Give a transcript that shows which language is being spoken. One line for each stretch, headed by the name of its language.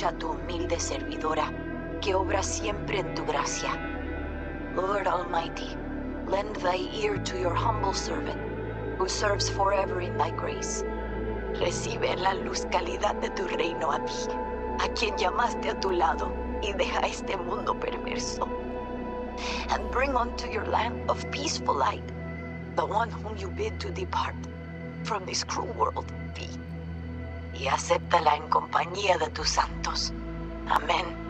Spanish: escucha a tu humilde servidora, que obra siempre en tu gracia.
English: Lord Almighty, lend thy ear to your humble servant, who serves forever in thy grace.
Spanish: Recibe la luz calidad de tu reino a ti, a quien llamaste a tu lado, y deja este mundo perverso.
English: And bring unto your land of peaceful light the one whom you bid to depart from this cruel world, be.
Spanish: Y acéptala en compañía de tus santos. Amén.